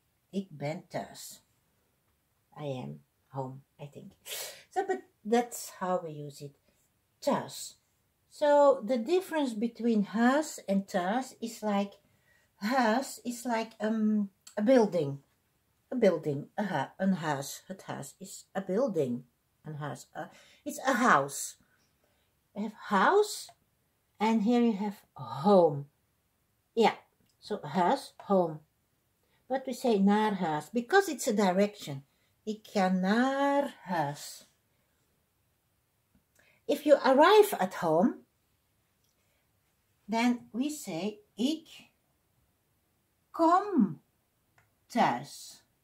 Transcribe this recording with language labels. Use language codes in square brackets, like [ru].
[nl] Ik ben thuis. [en] I am home, I think. So, but that's how we use it. Thuis. So the difference between huis and thuis is like, huis is like a building. A building, a huis, [nl] het huis [en] is a building, [nl] een huis, [en] it's a house. You have house, and here you have home. Yeah, so huis, home. But we say [nl] naar huis, [en] because it's a direction. [nl] Ik ga naar huis. [en] If you arrive at home, then we say [nl] ik kom thuis.